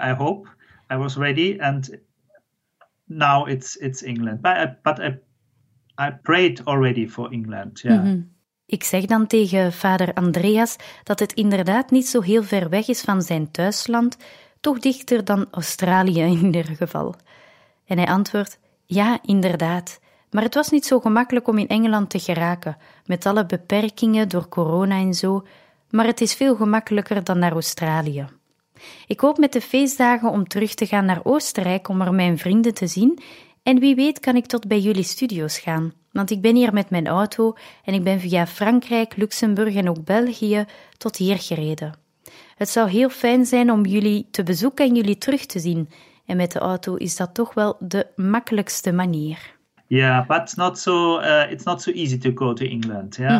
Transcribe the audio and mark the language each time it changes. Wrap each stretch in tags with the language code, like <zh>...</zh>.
<en>I hope I was ready, and now it's England. But I prayed already for England. Yeah. Mm-hmm.</en> <nl>Ik zeg dan tegen vader Andreas dat het inderdaad niet zo heel ver weg is van zijn thuisland. Toch dichter dan Australië in ieder geval. En hij antwoordt, ja, inderdaad. Maar het was niet zo gemakkelijk om in Engeland te geraken, met alle beperkingen door corona en zo, maar het is veel gemakkelijker dan naar Australië. Ik hoop met de feestdagen om terug te gaan naar Oostenrijk om er mijn vrienden te zien, en wie weet kan ik tot bij jullie studio's gaan, want ik ben hier met mijn auto en ik ben via Frankrijk, Luxemburg en ook België tot hier gereden. Het zou heel fijn zijn om jullie te bezoeken en jullie terug te zien. En met de auto is dat toch wel de makkelijkste manier.</nl> <en>Yeah, but it's not so easy to go to England, yeah?</en>